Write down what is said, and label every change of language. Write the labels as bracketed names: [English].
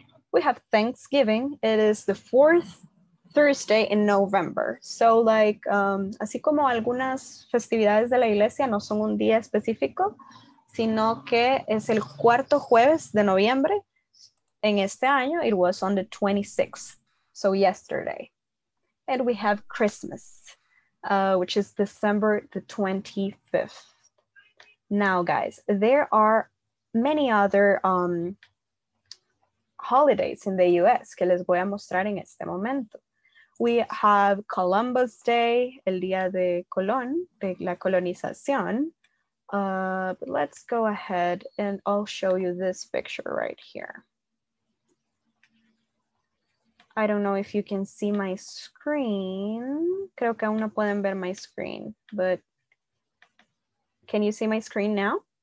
[English] We have Thanksgiving. It is the 4th. Thursday in November. [Spanish] So like, así como algunas festividades de la iglesia no son un día específico, sino que es el cuarto jueves de noviembre en este año. [English] It was on the 26th, so yesterday. And we have Christmas. which is December the 25th. Now, guys, there are many other holidays in the US [Spanish] que les voy a mostrar en este momento. [English] We have Columbus Day, [Spanish] el día de Colón, de la colonización. [English] But let's go ahead and I'll show you this picture right here. I don't know if you can see my screen. [Spanish] Creo que aún no pueden ver [English] my screen, but can you see my screen now?